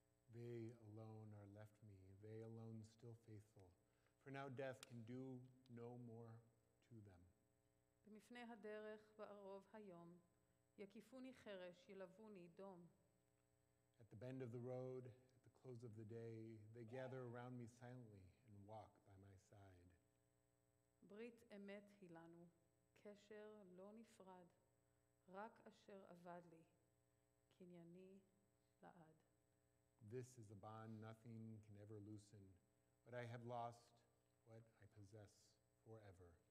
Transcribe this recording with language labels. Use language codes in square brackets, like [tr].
[en] They alone are left me, they alone still faithful, for now death can do no more to them. [he] במפנה הדרך בערוב היום, יקיפוני חרש, ילבוני דום. [en] At the bend of the road, at the close of the day, they gather around me silently and walk by my side. [he] ברית אמת היא לנו, קשר לא נפרד, רק אשר אבד לי, קנייני לעד. [en] This is a bond nothing can ever loosen, but I have lost what I possess forever.